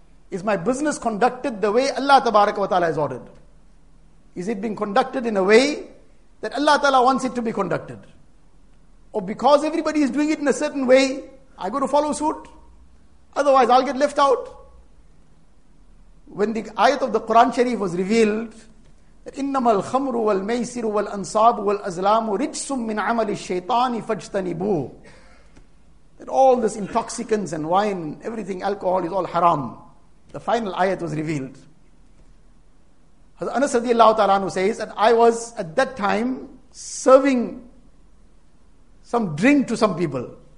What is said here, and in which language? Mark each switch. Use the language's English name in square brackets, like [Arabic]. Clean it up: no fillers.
[English] Is my business conducted the way Allah Tabaraka wa Ta'ala has ordered? Is it being conducted in a way that Allah Ta'ala wants it to be conducted? Or because everybody is doing it in a certain way, I go to follow suit? Otherwise I'll get left out. When the ayat of the Quran Sharif was revealed, [Arabic] إنما الخمر والميسر والأنصاب والأزلام رجس من عمل الشيطان فاجتنبوه. [English] That all this intoxicants and wine, everything, alcohol is all haram. The final ayat was revealed. Anas radiallahu ta'ala anhu says that I was at that time serving some drink to some people.